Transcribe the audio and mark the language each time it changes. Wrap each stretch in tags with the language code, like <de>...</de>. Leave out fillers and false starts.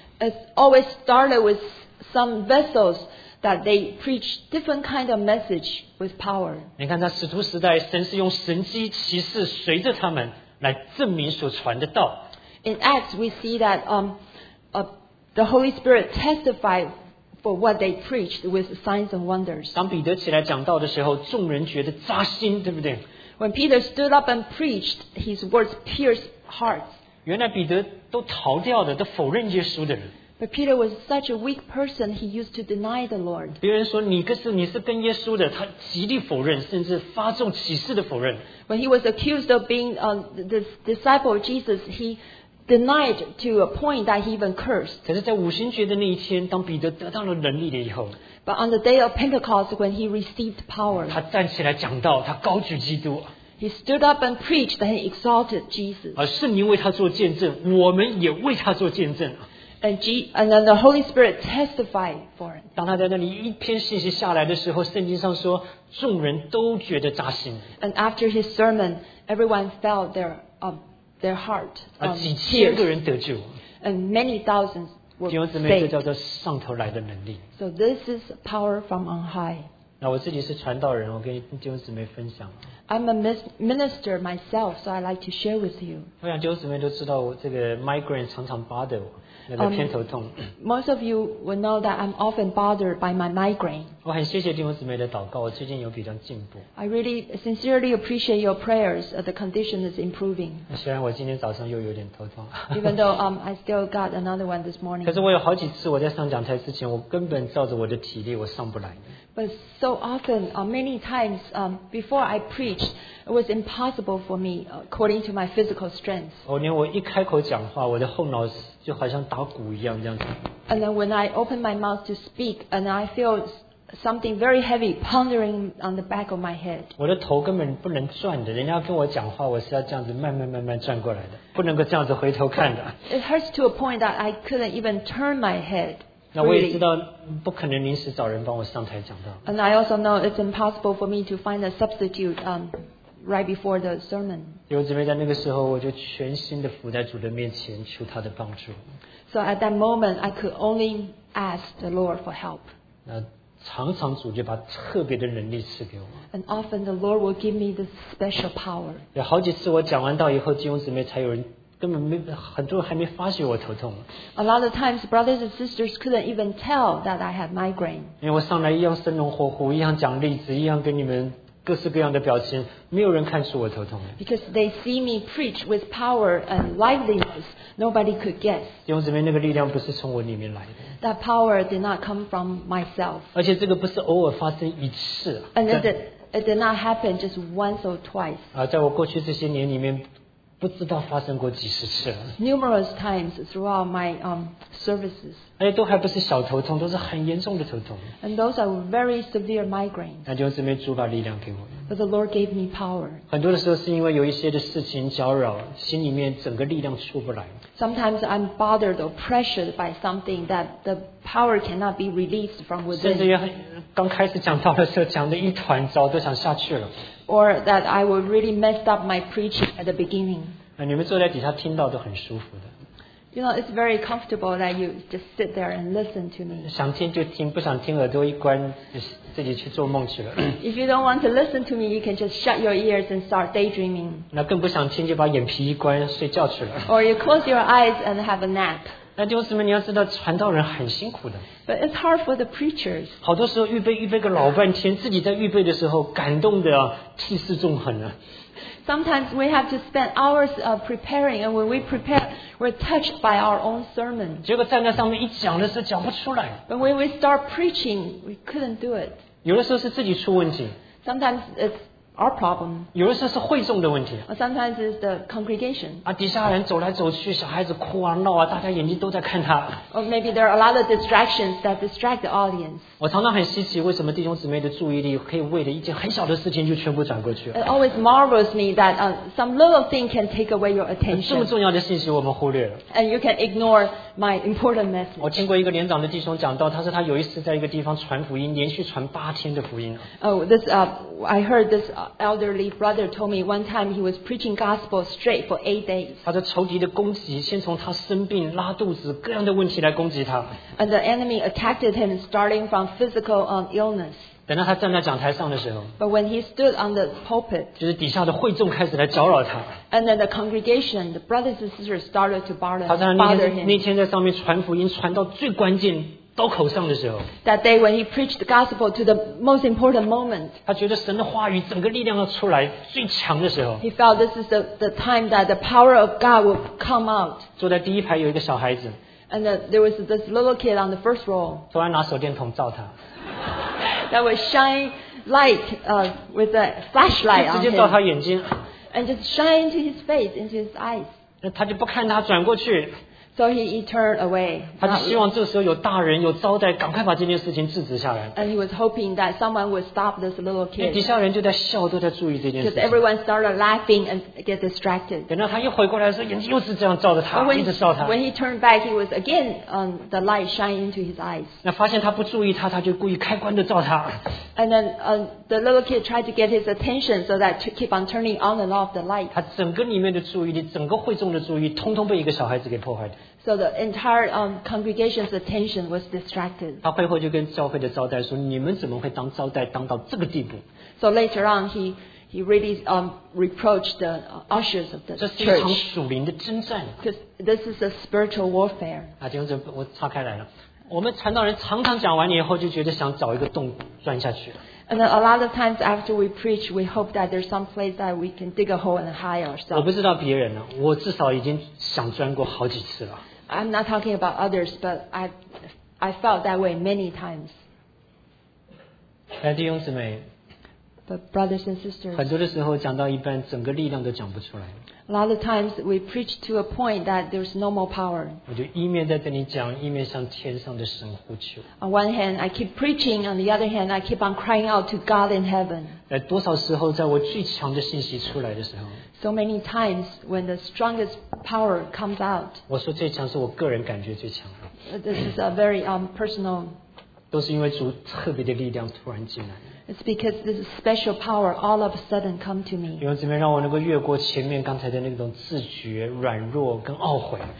<en>It always started with some vessels. That they preach different kind of message with power.</en> <zh>你看在使徒时代，神是用神迹奇事随着他们来证明所传的道。</zh> <en>In Acts, we see that the Holy Spirit testified for what they preached with signs and wonders.</en> <zh>当彼得起来讲道的时候，众人觉得扎心，对不对？</zh> <en>When Peter stood up and preached, his words pierced hearts.</en> <zh>原来彼得都逃掉的，都否认耶稣的人。</zh> <en>But Peter was such a weak person, he used to deny the Lord.</en> <zh>别人说你是跟耶稣的，他极力否认，甚至发重起誓的否认。</zh> <en>When he was accused of being the disciple of Jesus, he denied to a point that he even cursed.</en> <zh>可是在五旬节的那一天，当彼得得到了能力了以后，</zh> <en>But on the day of Pentecost, when he received power,</en> <zh>他站起来讲道，他高举基督。</zh> <en>He stood up and preached, and he exalted Jesus.</en> <zh>而圣灵为他做见证，我们也为他做见证。</zh> <en>And then the Holy Spirit testified for him.</en> <zh>当他在那里一篇信息下来的时候，圣经上说，众人都觉得扎心。</zh> <en>And after his sermon, everyone felt their heart.</en> <zh>啊，几千个人得救。</zh> <en>And many thousands were saved.</en> <zh>弟兄姊妹，这叫做上头来的能力。</zh> <en>So this is power from on high.</en> <zh>那我自己是传道人，我跟弟兄姊妹分享。</zh> <en>I'm a minister myself, so I'd like to share with you.</en> <zh>我想弟兄姊妹都知道，我这个 migraine 常常 bother 我。</zh> <en>Most of you will know that I'm often bothered by my migraine.</en> <zh>我很谢谢弟兄姊妹的祷告，我最近有比较进步。</zh> <en>I really sincerely appreciate your prayers. The condition is improving.</en> <zh>虽然我今天早上又有点头痛。</zh> <en>Even though I still got another one this morning.</en> <zh>可是我有好几次我在上讲台之前，我根本照着我的体力我上不来。</zh> <en>But so often, many times, before I preached, it was impossible for me, according to my physical strength.</en> <zh>哦，连我一开口讲话，我的后脑就好像打鼓一样这样子。</zh> <en>And then when I open my mouth to speak, and I feel something very heavy pondering on the back of my head.</en> <zh>我的头根本不能转的，人家跟我讲话，我是要这样子慢慢转过来的，不能够这样子回头看的。</zh> <en>It hurts to a point that I couldn't even turn my head.</en> <zh>那我也知道不可能临时找人帮我上台讲道。</zh> <en>And I also know it's impossible for me to find a substitute right before the sermon.</en> <zh>有姊妹在那个时候，我就全心的伏在主的面前，求他的帮助。</zh> <en>So at that moment, I could only ask the Lord for help.</en> <zh>那常常主就把特别的能力赐给我。</zh> <en>And often the Lord will give me this special power.</en> <zh>有好几次我讲完道以后，弟兄姊妹才有人。根本没很多人还没发现我头痛。</zh> <en>A lot of times, brothers and sisters couldn't even tell that I had migraine.</en> <zh>因为我上来一样生龙活虎，一样讲例子，一样跟你们各式各样的表情，没有人看出我头痛。</zh> <en>Because they see me preach with power and liveliness, nobody could guess.</en> <zh>弟兄姊妹，那个力量不是从我里面来的。</zh> <en>That power did not come from myself.</en> <zh>而且这个不是偶尔发生一次。</zh> <en>And it did not happen just once or twice.</en> <zh>啊，在我过去这些年里面。不知道发生过几十次了。</zh> <en>Numerous times throughout my services.</en> <zh>哎，都还不是小头痛，都是很严重的头痛。</zh> <en>And those are very severe migraines.</en> <zh>那就是没主把力量给我。</zh> <en>But the Lord gave me power.</en> <zh>很多的时候是因为有一些的事情搅扰，心里面整个力量出不来。</zh> <en>Sometimes I'm bothered or pressured by something that the power cannot be released from within.</en> <zh>甚至也很刚开始讲到的时候，讲的一团糟，都想下去了。</zh> <en>Or that I will really mess up my preaching at the beginning.</en> <zh>你们坐在底下听到都很舒服的。</zh> <en>You know, it's very comfortable that you just sit there and listen to me.</en> <zh>想听就听，不想听耳朵一关，自己去做梦去了。</zh> <en>If you don't want to listen to me, you can just shut your ears and start daydreaming.</en> <zh>那更不想听，就把眼皮一关，睡觉去了。</zh> <en>Or you close your eyes and have a nap.</en> <zh>那弟兄姊妹，你要知道，传道人很辛苦的。</zh> <en>But it's hard for the preachers.</en> <zh>好多时候预备个老半天，自己在预备的时候，感动的涕泗纵横啊。</zh> <en>Sometimes we have to spend hours preparing, and when we prepare, we're touched by our own sermon.</en> <zh>结果站在上面一讲的时候讲不出来。</zh> <en>But when we start preaching, we couldn't do it.</en> <zh>有的时候是自己出问题。</zh> <en>Sometimes it's our problem.</en> <zh>有的时候是会众的问题。</zh> <en>Sometimes it's the congregation.</en> <zh>啊，底下人走来走去，小孩子哭啊闹啊，大家眼睛都在看他。</zh> <en>Or maybe there are a lot of distractions that distract the audience.</en> <zh>我常常很稀奇，为什么弟兄姊妹的注意力可以为了一件很小的事情就全部转过去。</zh> <en>It always marvels me that some little thing can take away your attention.</en> <zh>这么重要的信息我们忽略了。</zh> <en>And you can ignore my important message.</en> <zh>我听过一个年长的弟兄讲到，他说他有一次在一个地方传福音，连续传八天的福音。</zh> <en>I heard this. Elderly brother told me one time he was preaching gospel straight for 8 days.</en> <zh>他的仇敌的攻击先从他生病拉肚子各样的问题来攻击他。</zh> <en>And the enemy attacked him starting from physical illness.</en> <zh>等到他站在讲台上的时候</zh> <en>，But when he stood on the pulpit，</en> <zh>就是底下的会众开始来搅扰他。</zh> <en>And then the congregation, the brothers and sisters started to bother him.</en> <zh>他在那天在上面传福音，传到最关键刀口上的时候</zh> <en>，That day when he preached the gospel to the most important moment，</en> <zh>他觉得神的话语整个力量要出来最强的时候</zh> <en>，He felt this is the time that the power of God will come out。</en> <zh>坐在第一排有一个小孩子</zh> <en>，And there was this little kid on the first row。</en> <zh>突然拿手电筒照他。</zh> <en>That would shine light with a flashlight on him.</en> <zh>直接照他眼睛。</zh> <en>And just shine into his face, into his eyes.</en> <zh>他就不看他，转过去。</zh> <en>So he turned away.</en> <zh>他就希望这时候有大人有招待，赶快把这件事情制止下来。</zh> <en>And he was hoping that someone would stop this little kid.</en> <zh>底下人就在笑，都在注意这件事。</zh> <en>Because everyone started laughing and get distracted.</en> <zh>等到他又回过来的时候，眼睛又是这样照着他，一直照他。</zh> <en>When he turned back, he was again the light shining into his eyes.</en> <zh>那发现他不注意他，他就故意开关的照他。</zh> <en>And then the little kid tried to get his attention so that to keep on turning on and off the light.</en> <zh>他整个里面的注意力，整个会众的注意，通通被一个小孩子给破坏。</zh> <en>So the entire congregation's attention was distracted.</en> <zh>他背后就跟教会的招待说：“你们怎么会当招待当到这个地步</zh> <en>？”So later on, he really reproached the ushers of the church.</en> <zh>这是一场属灵的征战。</zh> <en>Because this is a spiritual warfare.</en> <zh>啊，弟兄姊妹，我岔开来了。我们传道人常常讲完以后，就觉得想找一个洞钻下去。</zh> <en>And a lot of times after we preach, we hope that there's some place that we can dig a hole and hide ourselves.</en> <zh>我不知道别人了，我至少已经想钻过好几次了。</zh> <en>I'm not talking about others, but I felt that way many times.</en> <zh>弟兄姊妹</zh> <en>，But brothers and sisters,</en> <zh>很多的时候讲到一半，整个力量都讲不出来。</zh> <en>A lot of times we preach to a point that there's no more power.</en> <zh>我就一面在跟你讲，一面向天上的神呼求。</zh> <en>On one hand, I keep preaching. On the other hand, I keep on crying out to God in heaven.</en> <zh>多少时候在我最强的信息出来的时候</zh> <en>？So many times when the strongest power comes out.</en> <zh>我说最强是我个人感觉最强。</zh> <en>This is a very personal.</en> <zh>都是因为主特别的力量突然进来。</zh> <en>It's because this special power all of a sudden come to me.</en> <zh>因为这边让我能够越过前面刚才的那种自觉、软弱跟懊悔。</zh>